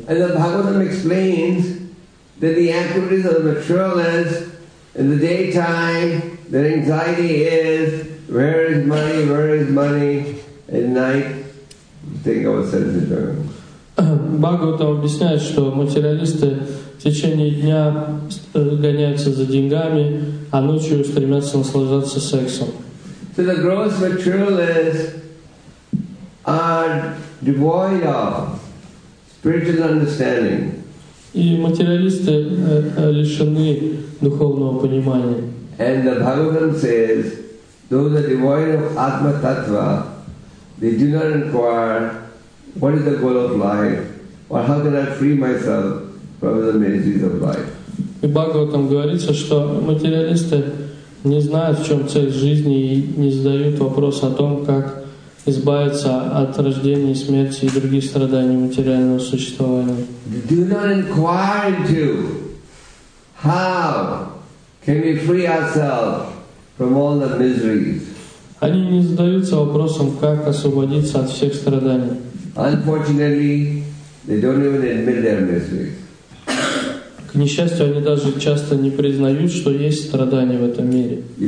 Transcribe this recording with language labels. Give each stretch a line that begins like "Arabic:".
English: And the Bhagavatam explains that the activities of the materialist in the daytime, their anxiety is, where is money? At night, think of a sense of joy.
Russian: Бхагаватам объясняет, что материалисты в течение дня гоняются за деньгами, а ночью стремятся наслаждаться сексом.
English: So the gross materialists are devoid of spiritual understanding.
Russian: И материалисты лишены духовного понимания.
English: And the Bhagavatam says, those are devoid of Atma Tattva, they do not inquire, what is the goal of life, or how can I free myself from the miseries of life?
Russian: И Бхагаватам говорится, что материалисты не знают, в чем цель жизни, и не задают вопрос о том, как избавиться от рождения, смерти и других страданий материального существования.
English: Do not inquire into how can we free ourselves from all the miseries.
Russian: Они не задаются вопросом, как освободиться от всех страданий.
English: Unfortunately, they don't even admit their miseries.
Russian: К несчастью, они даже часто не признают, что есть страдания в этом мире.